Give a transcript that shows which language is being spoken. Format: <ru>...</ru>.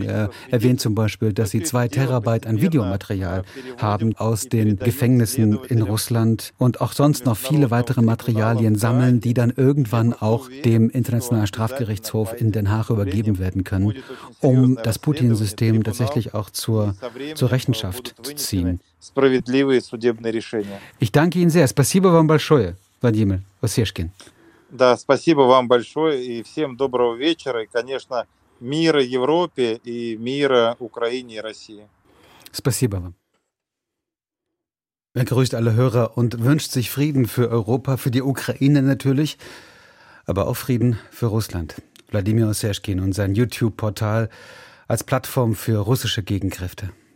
<de>Er erwähnt zum Beispiel, dass sie 2 Terabyte an Videomaterial haben aus den Gefängnissen in Russland und auch sonst noch viele weitere Materialien sammeln, die dann irgendwann auch dem Internationalen Strafgerichtshof in Den Haag übergeben werden können, um das Putin-System tatsächlich auch zur Rechenschaft zu ziehen. Ich danke Ihnen sehr.</de> <ru>Спасибо вам большое, Владимир Васильевич. Да, спасибо вам большое и всем доброго вечера и, конечно, мира Европе и мира Украине и России. Спасибо вам.</ru> <de>Er grüßt alle Hörer und wünscht sich Frieden für Europa, für die Ukraine natürlich, aber auch Frieden für Russland. Wladimir Sershkin und sein YouTube-Portal als Plattform für russische Gegenkräfte.</de>